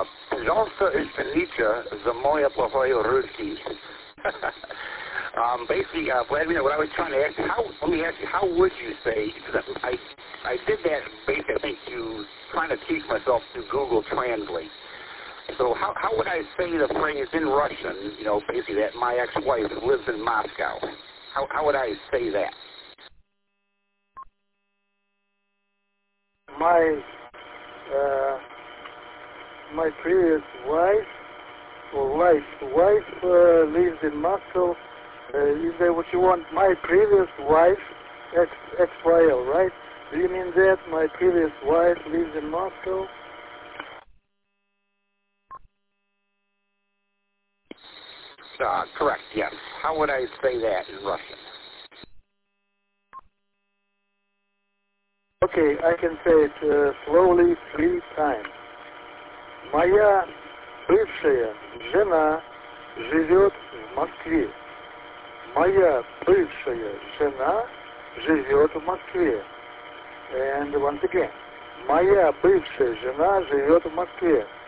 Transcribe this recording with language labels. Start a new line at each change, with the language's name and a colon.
Russian: Пожалуйста, извините за мое плохое русский.
English: Vladimir, what I was trying to ask, let me ask you, how would you say, because I did that basically, I think you trying to teach myself through Google Translate. So how would I say the phrase in Russian, you know, basically that my ex-wife lives in Moscow? How would I say that? My previous wife lives in Moscow. Is that what you want? My previous wife, ex-wife, right? Do you mean that my previous wife lives in Moscow? Correct. Yes. How would I say that in Russian? Okay, I can say it slowly three times.
Russian: Моя бывшая жена живет в Москве. Моя бывшая жена живет в Москве.
English: And once again.
Russian: Моя бывшая жена живет в Москве.